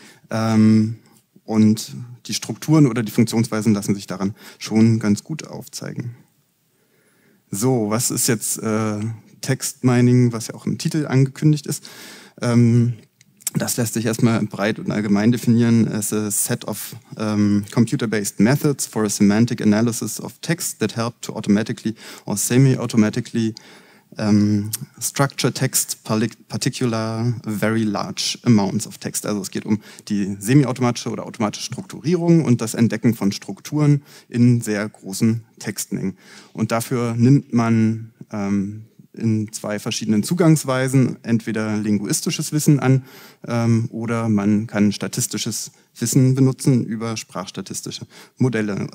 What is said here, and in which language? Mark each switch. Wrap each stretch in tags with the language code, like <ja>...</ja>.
<de>Und die Strukturen oder die Funktionsweisen lassen sich daran schon ganz gut aufzeigen. So, was ist jetzt Textmining, was ja auch im Titel angekündigt ist? Das lässt sich erstmal breit und allgemein definieren.</de> <en>As a set of computer-based methods for a semantic analysis of text that help to automatically or semi-automatically structure text, particular very large amounts of text.</en> <de>Also es geht um die semi-automatische oder automatische Strukturierung und das Entdecken von Strukturen in sehr großen Textmengen. Und dafür nimmt man in zwei verschiedenen Zugangsweisen entweder linguistisches Wissen an oder man kann statistisches Wissen benutzen über sprachstatistische Modelle.</de>